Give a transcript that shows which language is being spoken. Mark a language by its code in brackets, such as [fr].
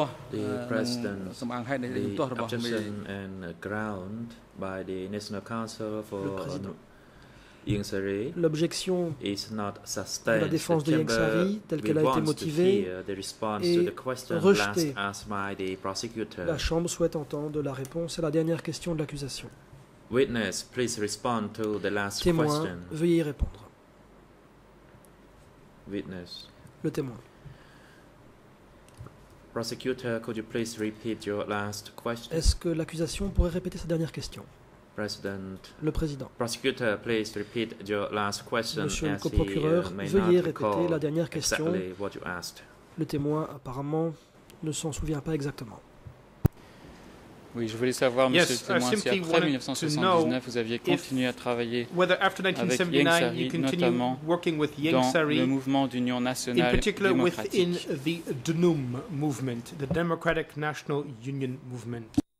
[en] the president the absence and ground by the National Council for Yingsari [fr] l'objection [en] is not sustained. [fr] La défense de Yingsari telle qu'elle a été motivée est rejetée. La Chambre souhaite entendre la réponse à la dernière question de l'accusation. [en] Witness, please respond to the last [fr] témoin, [en] question. [fr] Veuillez y répondre. [en] Witness. [fr] Le témoin. [en] Prosecutor, could you please repeat your last question? [fr] Est-ce que l'accusation pourrait répéter sa dernière question? [en] President. [fr] Le président. [en] Prosecutor, please repeat your last question. [fr] Monsieur le coprocureur, veuillez répéter la dernière question. [en] Exactly what you asked. [fr] Le témoin apparemment ne s'en souvient pas exactement. Oui, je voulais savoir, monsieur le témoin, si après 1979, vous aviez continué à travailler avec Yingsari, notamment dans le mouvement d'Union nationale démocratique.